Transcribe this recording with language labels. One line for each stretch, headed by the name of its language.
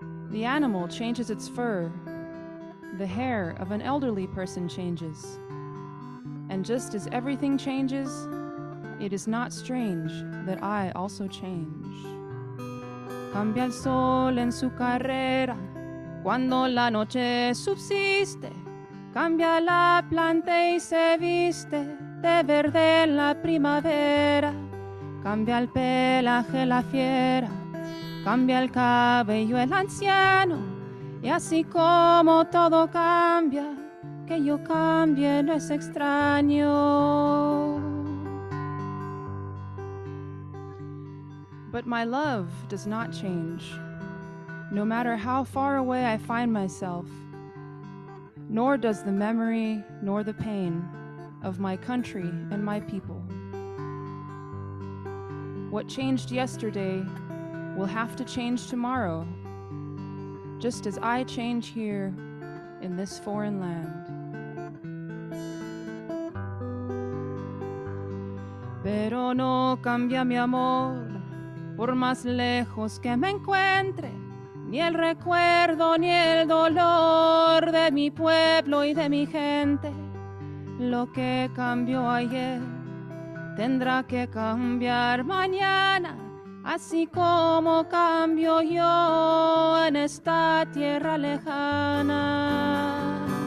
English: The animal changes its fur. The hair of an elderly person changes. And just as everything changes, it is not strange that I also change.
Spanish: Cambia el sol en su carrera cuando la noche subsiste. Cambia la planta y se viste de verde en la primavera. Cambia el pelaje la fiera, cambia el cabello el anciano. Y así como todo cambia, que yo cambie no es extraño.
English: But my love does not change, no matter how far away I find myself, nor does the memory nor the pain of my country and my people. What changed yesterday will have to change tomorrow, just as I change here in this foreign land.
Spanish: Pero no cambia mi amor, por más lejos que me encuentre, ni el recuerdo ni el dolor de mi pueblo y de mi gente. Lo que cambió ayer tendrá que cambiar mañana, así como cambio yo en esta tierra lejana.